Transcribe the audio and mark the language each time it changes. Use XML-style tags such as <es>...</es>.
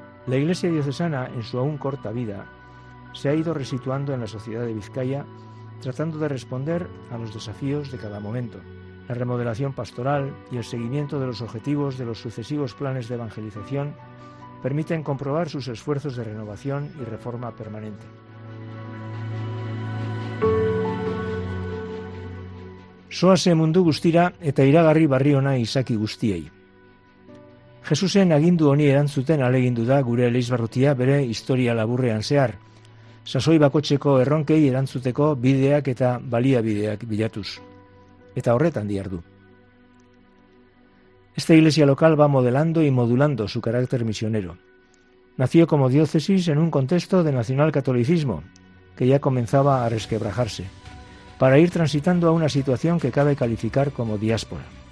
<es>La Iglesia diocesana, en su aún corta vida, se ha ido resituando en la sociedad de Vizcaya, tratando de responder a los desafíos de cada momento. La remodelación pastoral y el seguimiento de los objetivos de los sucesivos planes de evangelización permiten comprobar sus esfuerzos de renovación y reforma permanente.</es> <eu>Soase mundu guztira eta iragarri barri ona izaki guztiei. Jesusen agindu honi erantzuten alegindu da gure Elizbarrutia bere historia laburrean zehar, sasoi bakotxeko erronkei erantzuteko bideak eta baliabideak bilatuz. Eta horretan dihardu.</eu> <es>Esta iglesia local va modelando y modulando su carácter misionero. Nació como diócesis en un contexto de nacional catolicismo, que ya comenzaba a resquebrajarse, para ir transitando a una situación que cabe calificar como diáspora.</es>